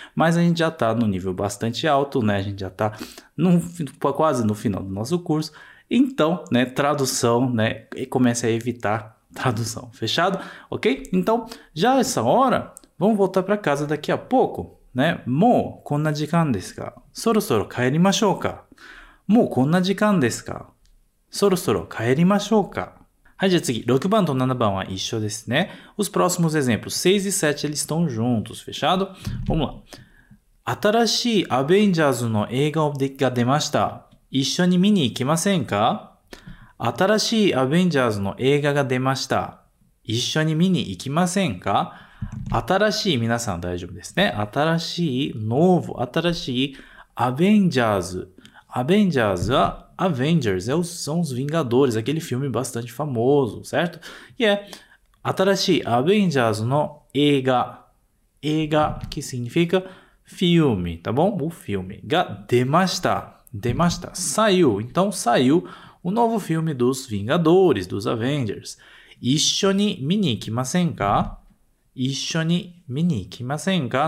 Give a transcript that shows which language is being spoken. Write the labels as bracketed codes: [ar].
[pt] Mas a gente já está no nível bastante alto, né? A gente já está quase no final do nosso curso. Então, né? Tradução, né? E comece a evitar tradução. Fechado? Ok? Então, já essa hora, vamos voltar para casa daqui a pouco, né? [ja] もうこんな時間ですか？そろそろ帰りましょうか？もうこんな時間ですか？そろそろ帰りましょうか。はい、じゃあ次、6番と7番は一緒ですね。 [pt] Os próximos exemplos 6 e 7 eles estão juntos, fechado? Vamos lá. [ja] 新しいアベンジャーズの映画が出ました。一緒に見に行きませんか? 新しいアベンジャーズの映画が出ました。一緒に見に行きませんか？新しい皆さん大丈夫ですね。新しいノーブ、新しいアベンジャーズ。 [pt] アベンジャーズはアベンジャーズ、são os Vingadores, aquele filme bastante famoso, certo? [ja] E é, 新しいアベンジャーズの映画。 [pt] 映画 que significa filme, tá bom? O filme [ja] が出ました。出ました。Saiu. [pt] Então saiu o novo filme dos Vingadores, dos Avengers. [ja] 一緒に見に行きませんか？一緒に見に行きませんか？